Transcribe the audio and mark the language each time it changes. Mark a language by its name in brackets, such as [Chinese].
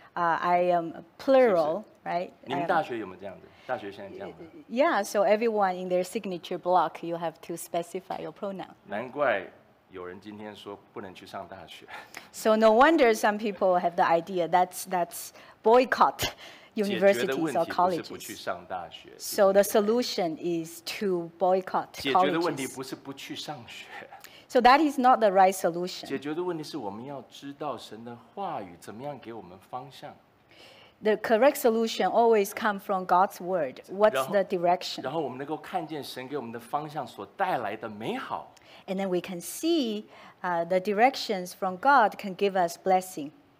[English] I am a plural, [Chinese] 是不是? [English] Right? [Chinese] 你们大学有没有这样子？大学现在这样吗？ [English] Yeah, so everyone in their signature block, you have to specify your pronoun. [Chinese] 难怪有人今天说不能去上大学。 [English] So no wonder some people have the idea that's boycott universities or colleges. [Chinese] 解决的问题不是不去上大学。 [English] So the solution is to boycott colleges. [Chinese] 解决的问题不是不去上学。 [English] So that is not the right solution. [Chinese] 解决的问题是我们要知道神的话语怎么样给我们方向。 [English] The correct solution always comes from God's word. What's the direction? [Chinese] 然后我们能够看见神给我们的方向所带来的美好。 [English] And then we can see the directions from God can give us blessing.